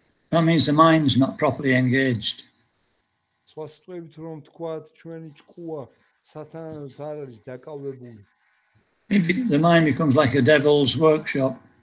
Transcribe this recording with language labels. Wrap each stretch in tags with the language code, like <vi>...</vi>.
<en>That means the mind's not properly engaged.</en> <ka>სვასწრებით რომ თქვათ, ჩვენი ჭკუა სათანადოდ არ არის დაკავებული.</ka> <en>The mind becomes like a devil's workshop.</en>